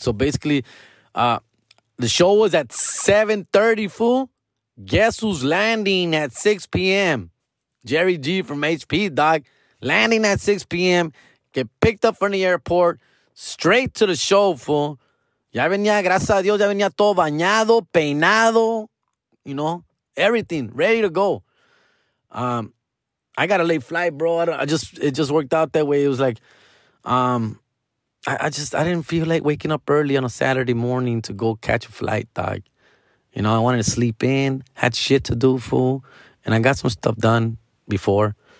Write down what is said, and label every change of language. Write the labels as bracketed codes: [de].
[en] So basically, the show was at 7:30, fool. Guess who's landing at 6 p.m.? Jerry G from HP, dog. Landing at 6 p.m., get picked up from the airport, straight to the show, fool. [es] Ya venía, gracias a Dios, ya venía todo bañado, peinado, [en] you know, everything, ready to go. I got a late flight, bro. It just worked out that way. It was like, I didn't feel like waking up early on a Saturday morning to go catch a flight, dog. You know, I wanted to sleep in, had shit to do, fool. And I got some stuff done before.